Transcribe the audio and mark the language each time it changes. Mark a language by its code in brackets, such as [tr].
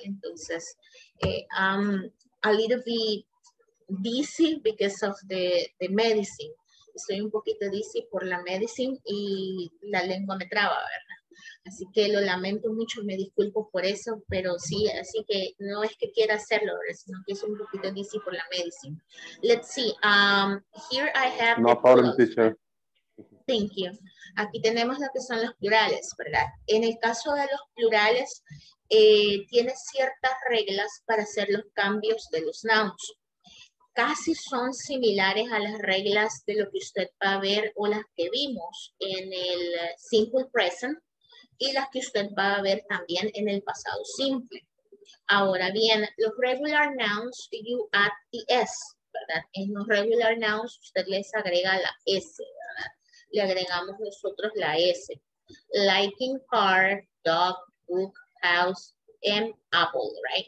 [en] Entonces, I'm a little bit dizzy because of the medicine. [es] Estoy un poquito dizzy por la medicine y la lengua me traba, ¿verdad? Así que lo lamento mucho, me disculpo por eso, pero sí, así que no es que quiera hacerlo, sino que es un poquito dizzy por la medicina. [en] Let's see, here I have no problem, teacher. Thank you. [es] Aquí tenemos lo que son los plurales, ¿verdad? En el caso de los plurales, tiene ciertas reglas para hacer los cambios de los nouns. Casi son similares a las reglas de lo que usted va a ver o las que vimos en el simple present. Y las que usted va a ver también en el pasado simple. Ahora bien, los [en] regular nouns, you add the S, [es] ¿verdad? En los regular nouns, usted les agrega la S, ¿verdad? Le agregamos nosotros la S. [en] Liking car, dog, book, house, and apple, right?